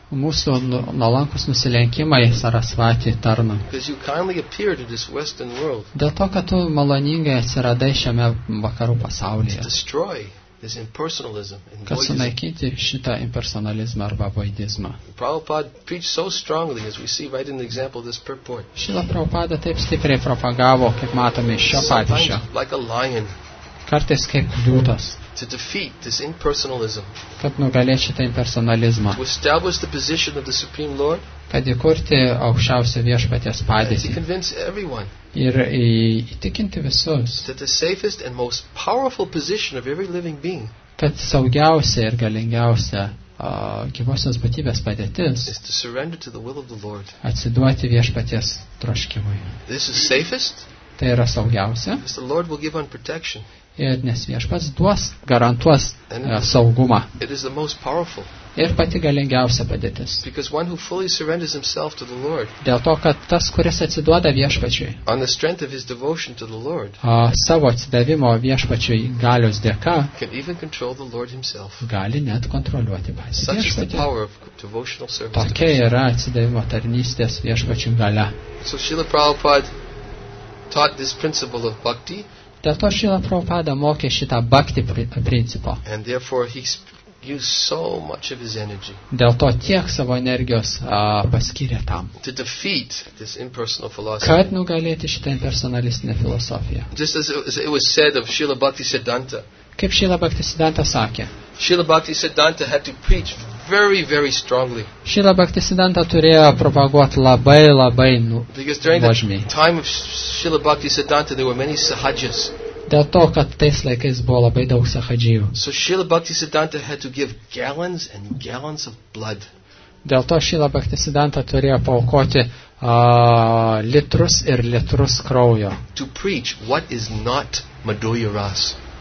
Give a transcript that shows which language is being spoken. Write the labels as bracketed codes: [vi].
[lt] Mūsų nuolankus nusilenkimai Sarasvati tarnu. [en] Because you kindly appeared in this Western world. [lt] Dėl to, kad tu maloningai atsiradai šiame vakarų pasaulyje. [en] This impersonalism and voidism. [lt] Kad sunaikinti šitą impersonalizmą arba voidizmą. [en] Prabhupada preached so strongly, as we see right in the example of this purport. [lt] Šila Prabhupada taip stipriai propagavo, kaip matome iš šio pavyzdžio. [en] Like a lion. [lt] Kartais kaip liūtas. [en] To defeat this impersonalism. [lt] Kad nugalėti šitą impersonalizmą. [en] To establish the position of the Supreme Lord. [lt] Kad įkurti aukščiausią viešpaties padėtį. [en] To convince everyone. [lt] Ir įtikinti visus, [en] that the safest and most powerful position of every living being, [lt] kad saugiausia ir galingiausia gyvosios būtybės padėtis, [en] is to surrender to the will of the Lord. [lt] Atsiduoti viešpaties troškimui. [en] This is safest. [lt] Tai yra saugiausia. [en] Because the Lord will give on protection. [lt] Ir nes viešpats duos, garantuos saugumą. [en] It is the most powerful. [lt] Ir pati galingiausia padėtis. [en] Because one who fully surrenders himself to the Lord. [lt] Dėl to, kad tas, kuris atsiduoda viešpačiui. [en] On the strength of his devotion to the Lord. [lt] Savo atsidavimo viešpačiui galios dėka. [en] Can even control the Lord himself. [lt] Gali net kontroliuoti patį viešpatį. [en] Such is the power of devotional service. [lt] Tokia yra atsidavimo tarnystės viešpačiui galia. [en] So Srila Prabhupada taught this principle of bhakti. [lt] Dėl to Srila Prabhupada mokė šitą bhakti principą. [en] And therefore he used so much of his energy. [lt] Dėl to tiek savo energijos paskyrė tam. [en] To defeat this impersonal philosophy. [lt] Kad nugalėti šitą impersonalistinę filosofiją. [en] Just as it was said of Srila Bhakti Siddhanta. [lt] Kaip Srila Bhakti Siddhanta sakė. [en] Srila Bhakti Siddhanta had to preach very, very strongly. [lt] Srila Bhakti Siddhanta turėjo propaguoti labai, labai nuožmiai. [en] Because during the time of Srila Bhakti Siddhanta there were many sahajas. [lt] Dėl to, kad tais laikais buvo labai daug sahadžijų. [en] So Srila Bhakti Siddhanta had to give gallons and gallons of blood. [lt] Dėl to Srila Bhakti Siddhanta turėjo paukoti litrus ir litrus kraujo. [en] To preach what is not Madhurya Ras.